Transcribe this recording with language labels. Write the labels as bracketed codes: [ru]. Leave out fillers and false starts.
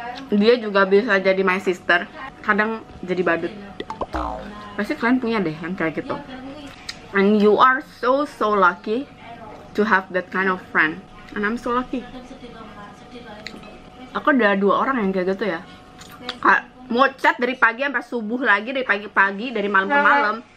[id] Dia juga bisa jadi my sister, kadang jadi badut. Pasti kalian punya deh yang kayak gitu. [en] And you are so so lucky to have that kind of friend. And I'm so lucky. [id] Aku udah dua orang yang kayak gitu ya. Mau chat dari pagi sampai subuh lagi, dari pagi-pagi, dari malam ke malam.